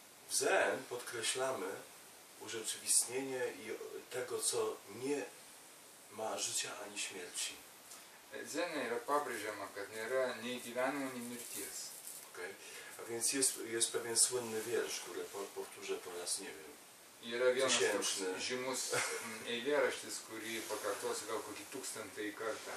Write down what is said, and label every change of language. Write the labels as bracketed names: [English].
[Polish] W Zen podkreślamy urzeczywistnienie tego, co nie ma życia ani śmierci. [Lithuanian] Zen yra pabrėžiama, kad nėra nei gyvenimo, nei mirties. Okay. [Polish] A więc jest pewien słynny wiersz, który powtórzę po raz, nie wiem. [Lithuanian] Yra vienas žymus eilėraštis, kurį pakartosiu gal kokį tūkstantąjį kartą.